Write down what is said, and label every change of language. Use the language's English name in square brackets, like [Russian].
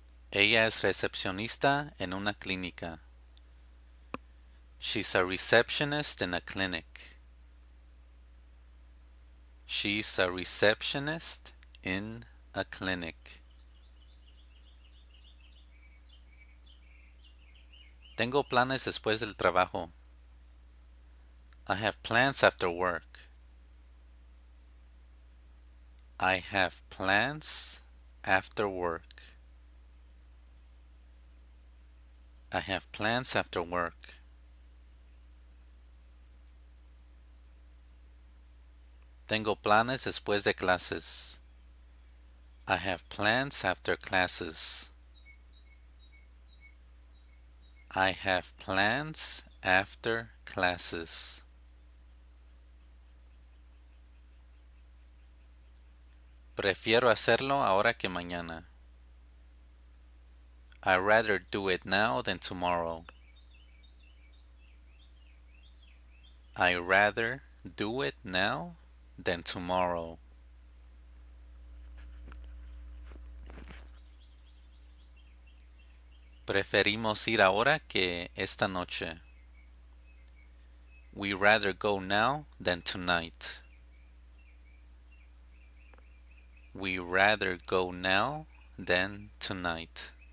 [Spanish] Ella es recepcionista en una clínica. [English] She's a receptionist in a clinic. She's a receptionist in a clinic. [Spanish] Tengo planes después del trabajo. [English] I have plans after work. I have plans after work. I have plans after work. [Spanish] Tengo planes después de clases. [English] I have plans after classes. I have plans after classes. [Spanish] Prefiero hacerlo ahora que mañana. [English] I'd rather do it now than tomorrow. I'd rather do it now than tomorrow. [Spanish] Preferimos ir ahora que esta noche. [English] We'd rather go now than tonight. We'd rather go now than tonight.